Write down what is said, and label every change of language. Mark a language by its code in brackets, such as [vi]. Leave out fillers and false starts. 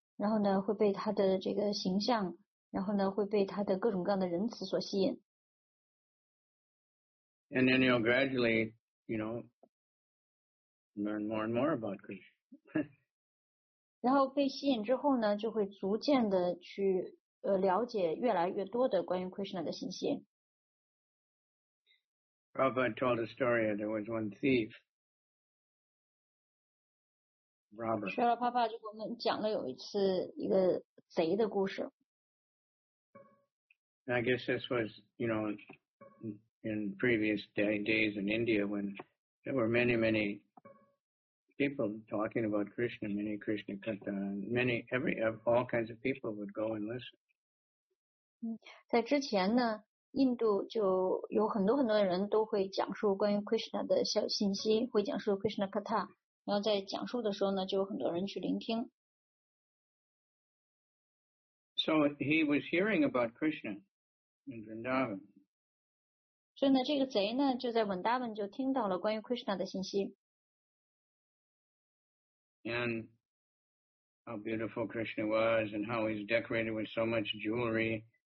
[zh] 然后呢，会被他的这个形象，然后呢，会被他的各种各样的仁慈所吸引。 [en] And then you'll gradually, you know, learn more and more about Krishna. [zh] 然后被吸引之后呢，就会逐渐的去了解越来越多的关于 Krishna 的信息。 [en] Prabhupada told a story. There was one thief. [zh] Srila Prabhupada 就给我们讲了有一次一个贼的故事。 [en] I guess this was, you know, in previous days in India when there were many, many people talking about Krishna, many Krishna Katha, all kinds of people would go and listen. [zh] 在之前呢，印度就有很多很多人都会讲述关于 Krishna 的小信息，会讲述 Krishna Katha。然后在讲述的时候呢，就有很多人去聆听。 [en] So he was hearing about Krishna in Vrindavan. [zh] 所以呢，这个贼呢，就在 Vrindavan 就听到了关于 Krishna 的信息。 [en] And how beautiful Krishna was, and how he's decorated with so much jewelry.